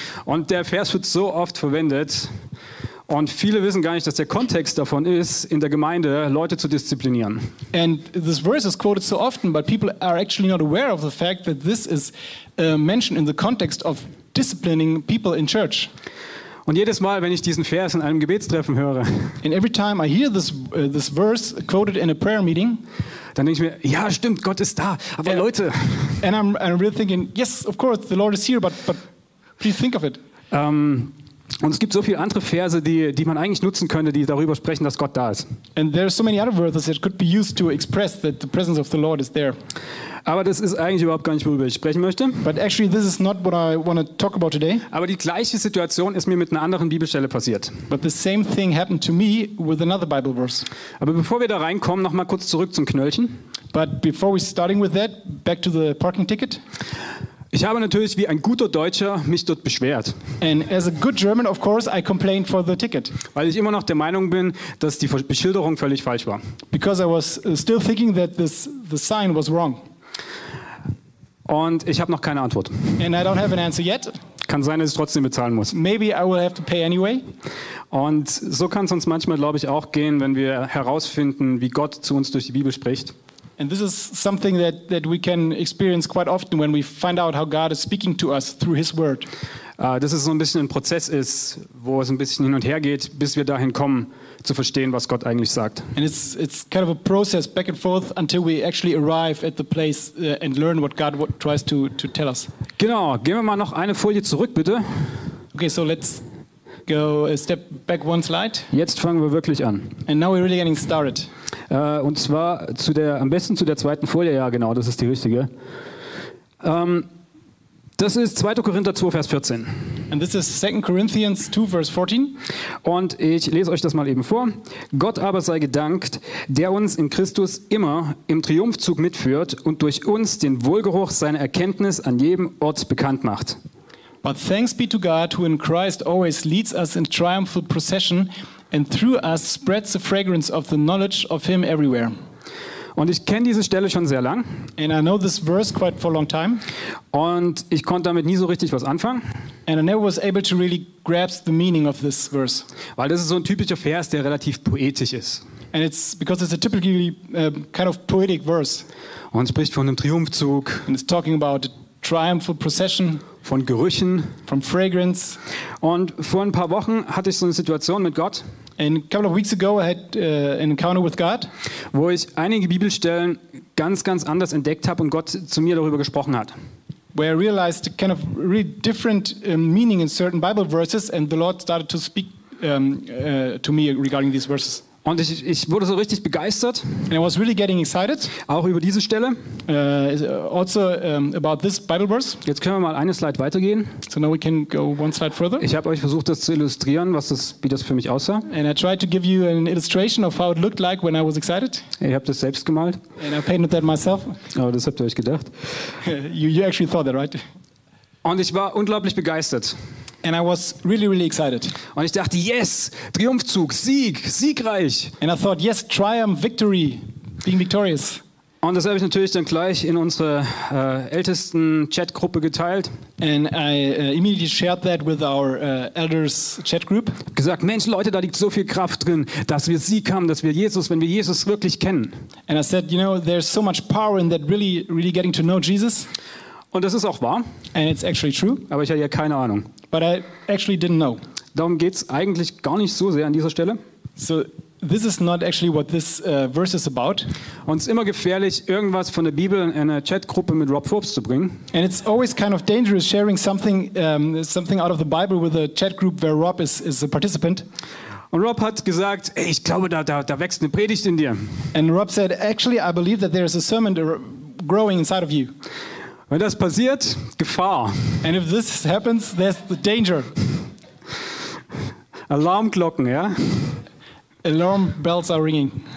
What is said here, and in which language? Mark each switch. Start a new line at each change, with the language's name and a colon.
German: Und der Vers wird so oft verwendet und viele wissen gar nicht, dass der Kontext davon ist, in der Gemeinde Leute zu disziplinieren.
English: And this verse is quoted so often, but people are actually not aware of the fact that this is mentioned in the context of disciplining people in church.
German: Und jedes Mal, wenn ich diesen Vers in einem Gebetstreffen höre,
English: and every time I hear this this verse quoted in a prayer meeting,
German: dann denke ich mir, ja, stimmt, Gott ist da, aber and, Leute,
English: and I'm really thinking, yes, of course, the Lord is here, but please think of it.
German: Und es gibt so viele andere Verse, die man eigentlich nutzen könnte, die darüber sprechen, dass Gott da ist.
English: And there are so many other verses that could be used to express that the presence of the Lord is there.
German: Aber das ist eigentlich überhaupt gar nicht, worüber ich sprechen möchte.
English: But actually this is not what I want to talk about today.
German: Aber die gleiche Situation ist mir mit einer anderen Bibelstelle passiert.
English: But the same thing happened to me with another Bible verse.
German: Aber bevor wir da reinkommen, noch mal kurz zurück zum Knöllchen.
English: But before we starting with that, back to the parking ticket.
German: Ich habe natürlich wie ein guter Deutscher mich dort beschwert.
English: And as a good German, of course, I complained for the ticket.
German: Weil ich immer noch der Meinung bin, dass die Beschilderung völlig falsch war.
English: Because I was still thinking that the sign was wrong.
German: Und ich habe noch keine Antwort.
English: And I don't have an answer yet.
German: Kann sein, dass ich trotzdem bezahlen muss.
English: Maybe I will have to pay anyway.
German: Und so kann es uns manchmal, glaube ich, auch gehen, wenn wir herausfinden, wie Gott zu uns durch die Bibel spricht.
English: And this is something that we can experience quite often when we find out how God is speaking to us through his word.
German: Das ist so ein bisschen ein Prozess ist, wo es ein bisschen hin und her geht, bis wir dahin kommen zu verstehen, was Gott eigentlich sagt.
English: And it's kind of a process back and forth until we actually arrive at the place and learn what God tries to tell us.
German: Genau, gehen wir mal noch eine Folie zurück, bitte.
English: Okay, so let's go a step back one slide.
German: Jetzt fangen wir wirklich an.
English: And now we're really getting started.
German: Und zwar am besten zu der zweiten Folie, ja genau, das ist die richtige. Das ist 2. Korinther 2, Vers 14.
English: And this is 2 Corinthians 2, Vers 14.
German: Und ich lese euch das mal eben vor. Gott aber sei gedankt, der uns in Christus immer im Triumphzug mitführt und durch uns den Wohlgeruch seiner Erkenntnis an jedem Ort bekannt macht.
English: But thanks be to God, who in Christ always leads us in triumphal procession, and through us spreads the fragrance of the knowledge of him everywhere.
German: Und ich kenne diese Stelle schon sehr lang.
English: And I know this verse quite for a long time.
German: Und ich konnte damit nie so richtig was anfangen.
English: And I never was able to really grasp the meaning of this verse.
German: Weil das ist so ein typischer Vers, der relativ poetisch ist.
English: And it's because it's a typically kind of poetic verse.
German: Und spricht von einem Triumphzug.
English: And it's talking about a triumphal procession.
German: Von Gerüchen.
English: From fragrance.
German: Und vor ein paar Wochen hatte ich so eine Situation mit Gott.
English: And a couple of weeks ago I had an encounter with God.
German: Wo ich einige Bibelstellen ganz, ganz anders entdeckt habe und Gott zu mir darüber gesprochen hat.
English: Where I realized a kind of really different meaning in certain Bible verses and the Lord started to speak to me regarding these verses.
German: Und ich wurde so richtig begeistert.
English: And I was really getting excited.
German: Auch über diese Stelle.
English: Also about this Bible verse.
German: Jetzt können wir mal eine Slide weitergehen.
English: So now we can go one slide further.
German: Ich habe euch versucht, das zu illustrieren, wie das für mich aussah.
English: And I tried to give you an illustration of how it looked like when I was excited.
German: Ihr habt das selbst gemalt.
English: And I painted that myself.
German: Oh, das habt ihr euch gedacht.
English: You actually thought that, right?
German: Und ich war unglaublich begeistert.
English: And I was really, really excited.
German: Und ich dachte, yes, Triumphzug, Sieg, siegreich.
English: And I thought, yes, triumph, victory, being victorious.
German: Und das habe ich natürlich dann gleich in unsere ältesten Chatgruppe geteilt.
English: And I immediately shared that with our elders chat group.
German: Gesagt, Mensch, Leute, da liegt so viel Kraft drin, dass wir Sieg haben, dass wir Jesus, wenn wir Jesus wirklich kennen.
English: And I said, you know, there's so much power in that really, really getting to know Jesus.
German: Und das ist auch wahr.
English: And it's actually true.
German: Aber ich hatte ja keine Ahnung.
English: But I actually didn't know.
German: Darum geht's eigentlich gar nicht so sehr an dieser Stelle.
English: So this is not actually what this verse is about.
German: Und es ist immer gefährlich, irgendwas von der Bibel in eine Chatgruppe mit Rob Forbes zu bringen.
English: And it's always kind of dangerous sharing something out of the Bible with a chat group where Rob is a participant.
German: Und Rob hat gesagt, ey, ich glaube, da wächst eine Predigt in dir.
English: And Rob said, actually I believe that there is a sermon growing inside of you.
German: Wenn das passiert, Gefahr.
English: And if this happens, there's the danger.
German: Alarmglocken, ja?
English: Alarm bells are ringing.